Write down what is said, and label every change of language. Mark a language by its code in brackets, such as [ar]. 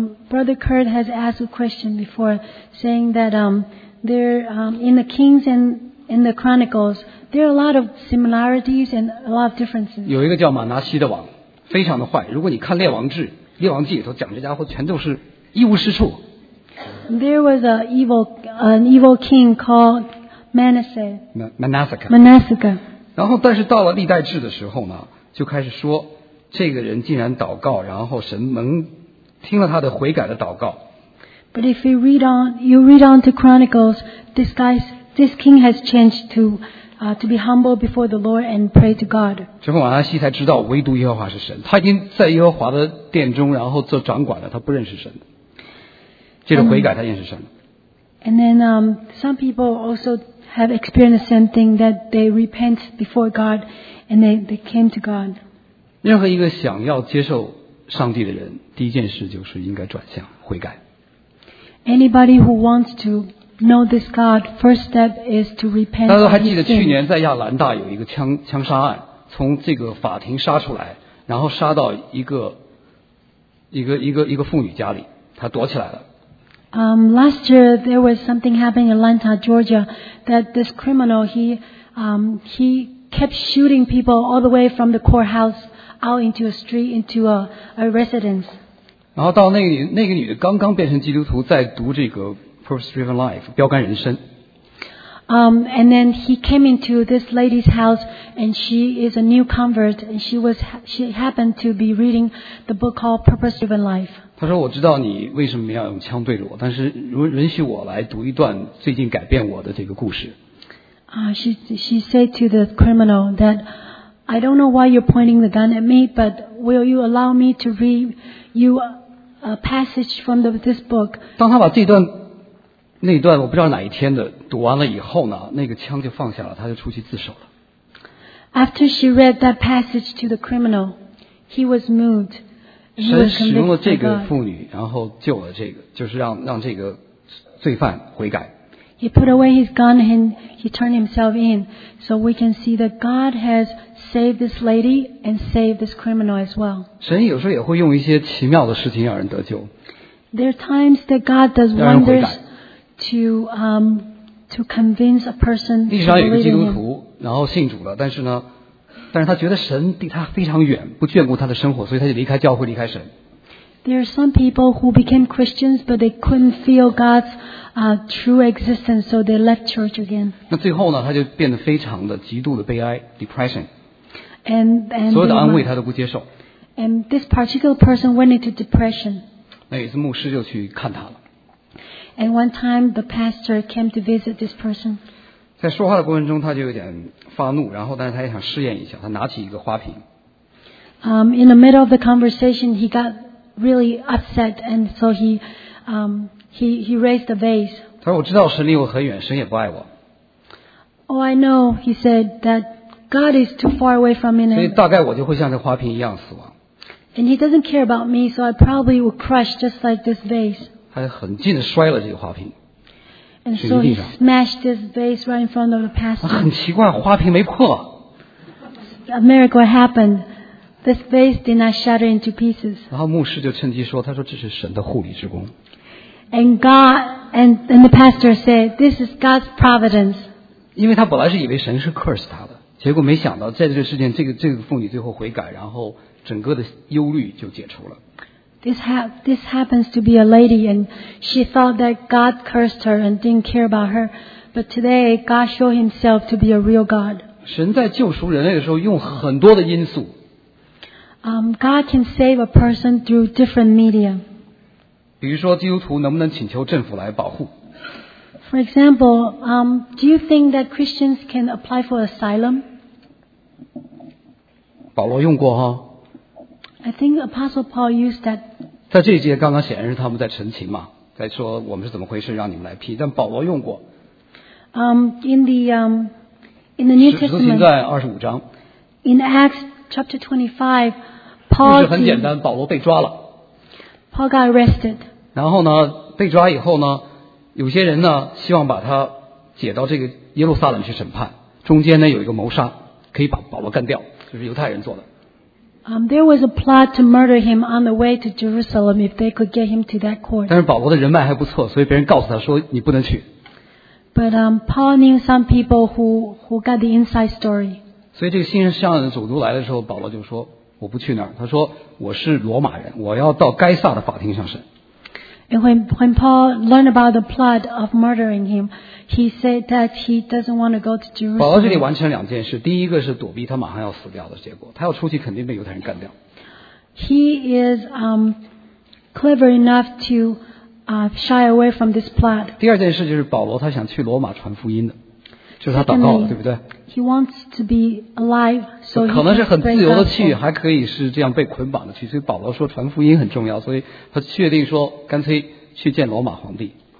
[en] Brother Kurt has asked a question before, saying that in the Kings and in the Chronicles, there are a lot of similarities and a lot of differences. [zh] 有一个叫马拿西的王。非常的坏，如果你看列王记里头讲这家伙全都是一无是处。 [en] There was an evil king called Manasseh. [zh] 然后但是到了历代志的时候呢，就开始说这个人竟然祷告，然后神蒙听了他的悔改的祷告。 [en] But if you read on to Chronicles, this king has changed toto be humble before the Lord and pray to God. [zh] 之后马拿西才知道唯独耶和华是神，他已经在耶和华的殿中然后做掌管了，他不认识神，接着悔改他认识神。 [en] And then some people also have experienced the same thing, that they repent before God and they came to God. [zh] 任何一个想要接受上帝的人，第一件事就是应该转向悔改。 [en] Anybody who wants toKnow this God. First step is to repent. [zh] 大家都还记得去年在亚兰大有一个枪杀案，从这个法庭杀出来，然后杀到一个妇女家里，她躲起来了。 [en] Last year there was something happening in Atlanta, Georgia, that this criminal he kept shooting people all the way from the courthouse out into a street into a residence. [zh] 然后到那个女的刚刚变成基督徒，在读这个。 Purpose-driven life, 标杆人生。 [en] And then he came into this lady's house, and she is a new convert, and she happened to be reading the book called Purpose-driven life. [zh] 他说：“我知道你为什么要用枪对着我，但是允许我来读一段最近改变我的这个故事。 [en] ”She said to the criminal that I don't know why you're pointing the gun at me, but will you allow me to read you a passage from this book? [zh] 当他把这段那一段我不知道哪一天的读完了以后呢，那个枪就放下了，他就出去自首了。 [en] After she read that passage to the criminal, he was moved. [zh] 神使用了这个妇女，然后救了这个，就是让这个罪犯悔改。 [en] He put away his gun and he turned himself in, so we can see that God has saved this lady and saved this criminal as well. [zh] 神有时候也会用一些奇妙的事情让人得救。 [en] There are times that God does wonders. To convince a person. [zh] 历史上有一个基督徒，然后信主了，但是他觉得神离他非常远，不眷顾他的生活，所以他就离开教会，离开神。 [en] There are some people who became Christians, but they couldn't feel God's true existence, so they left church again. [zh] 那最后呢，他就变得非常的极度的悲哀 ，depression. [en] And [zh] 所有的安慰他都不接受。 [en] And this particular person went into depression. [zh] 那有一次牧师就去看他了。 [en] And one time, the pastor came to visit this person. [zh] 在说话的过程中，他就有点发怒，然后但是他也想试验一下，他拿起一个花瓶。 [en] In the middle of the conversation, he got really upset, and so he raised the vase. [zh] 他说：“我知道神离我很远，神也不爱我。” [en] Oh, I know, he said that God is too far away from me. [zh] 所以大概我就会像这花瓶一样死亡。 [en] And he doesn't care about me, so I probably will crush just like this vase. [zh] 他很近的摔了这个花瓶，摔在地上。很奇怪，花瓶没破。 [en] A miracle happened. This vase did not shatter into pieces. [zh] 然后牧师就趁机说：“他说这是神的护理之功。” [en] And the pastor said, "This is God's providence." [zh] 因为他本来是以为神是 curse 他的，结果没想到在这个事件，这个妇女最后悔改，然后整个的忧虑就解除了。 [en] This happens to be a lady, and she thought that God cursed her and didn't care about her. But today, God showed Himself to be a real God. [zh] 神在救赎人类的时候用很多的因素。 [en] God can save a person through different media. [zh] 比如说，基督徒能不能请求政府来保护 [en] ？For example, do you think that Christians can apply for asylum? [zh] 保罗用过哈。 [en] I think Apostle Paul used that. [zh] 在这一节刚刚显然是他们在陈情嘛，在说我们是怎么回事，让你们来批。但保罗用过。 [en] In the New Testament. [zh] 使徒行传25章。 [en] In Acts chapter 25, Paul. [zh] 故事很简单，保罗被抓了。 [en] Paul got arrested. [zh] 然后呢，被抓以后呢，有些人呢希望把他解到这个耶路撒冷去审判。中间呢有一个谋杀，可以把保罗干掉，就是犹太人做的。 [en] There was a plot to murder him on the way to Jerusalem if they could get him to that court. [zh] 但是保罗的人脉还不错，所以别人告诉他说你不能去。 [en] But Paul knew some people who got the inside story. [zh] 所以这个新上任的总督来的时候，保罗就说我不去那儿。他说我是罗马人，我要到该撒的法庭上审。 [en] And when Paul learned about the plot of murdering him, he said that he doesn't want to go to Jerusalem. [zh] 保罗这里完成两件事，第一个是躲避他马上要死掉的结果，他要出去肯定被犹太人干掉。 [en] He is clever enough to shy away from this plot. [zh] 第二件事就是保罗他想去罗马传福音的，就是他祷告了，对不对？ [en] He wants to be alive, so [zh] 可能是很自由的去，还可以是这样被捆绑的去。所以保罗说传福音很重要，所以他确定说干脆去见罗马皇帝。